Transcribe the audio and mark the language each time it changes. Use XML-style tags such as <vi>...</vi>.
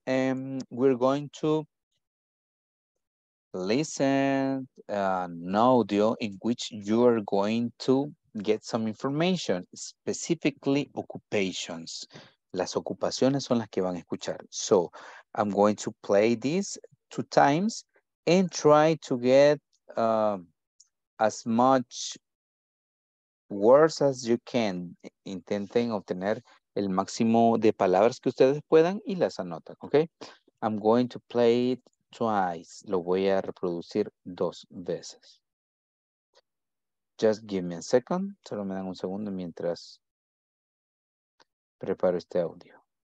<en>And we're going to listen an audio in which you are going to get some information, specifically occupations.</en> <es>Las ocupaciones son las que van a escuchar.</es> <en>So, I'm going to play this two times and try to get as much words as you can.</en> <es>Intenten obtener el máximo de palabras que ustedes puedan y las anotan, ¿ok?</es> <en>I'm going to play it twice.</en> <es>Lo voy a reproducir dos veces.</es> <en>Just give me a second.</en> <es>Solo me dan un segundo mientras preparo este audio.</es>